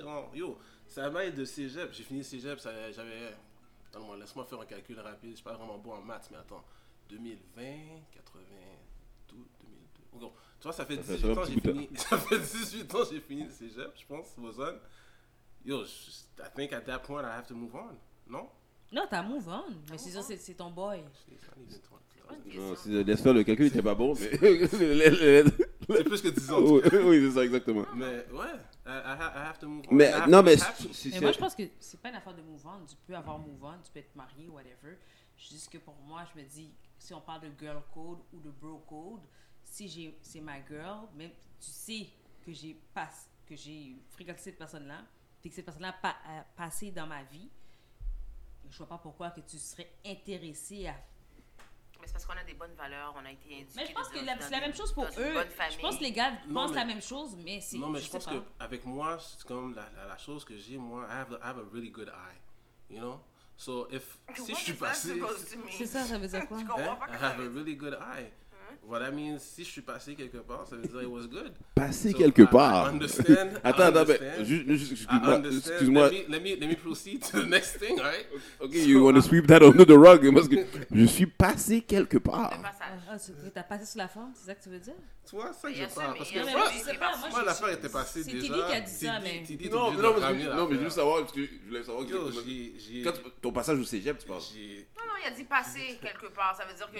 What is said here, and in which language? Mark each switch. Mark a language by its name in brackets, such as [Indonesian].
[French] Genre, yo, ça va être de cégep. J'ai fini cégep, laisse-moi faire un calcul rapide. Je suis pas vraiment bon en maths, mais attends. 2020, 82, 2002. Tu vois, ça fait 18 ans j'ai fini le cégep, je pense, Boson. [English] Yo, I think at that point, I have to move on, non? [French] Non, t'as move on, mais c'est ça, c'est ton boy. C'est non, laisse faire le calcul, c'est pas bon, mais... c'est plus que 10 ans. Oui, c'est ça, exactement. Mais ouais, [English] I have to move on. [French] Mais non, mais... Mais moi, je pense que c'est pas une affaire de move on. Tu peux avoir move on, tu peux être marié, whatever. Juste que pour moi, je me dis... Si on parle de girl code ou de bro code, si c'est ma girl, même tu sais que j'ai fréquenté cette personne-là, puis que cette personne-là a passé dans ma vie, je vois pas pourquoi que tu serais intéressé à. Mais c'est parce qu'on a des bonnes valeurs, on a été éduqués. Mais je pense que c'est la même chose pour eux. Je pense que les gars pensent la même chose, mais c'est. Non, mais je pense qu'avec moi, c'est comme la chose que j'ai, moi, [English] I have a really good eye, you know? [French] So, si je suis passé. C'est ça veut dire quoi? [English] I have a really good eye. Mm-hmm. [French] Voilà, [English] I mean, [French] si je suis passé quelque part, ça veut dire [English] it was good. [French] Passé so quelque part. Attends, excuse-moi. [English] Let me proceed to the next thing, right? Okay, so, you want to sweep that under the rug? [French] Parce que je suis passé quelque part. T'as passé sous la forme, c'est ça que tu veux dire? Toi, ça, je parle. Parce que moi, l'affaire était passée déjà. C'est Tilly qui a dit ça, mais. Non, mais je voulais savoir. Parce que je voulais savoir. Quand ton passage au cégep, tu penses? Non, il a dit passé quelque part. Ça veut dire qu'il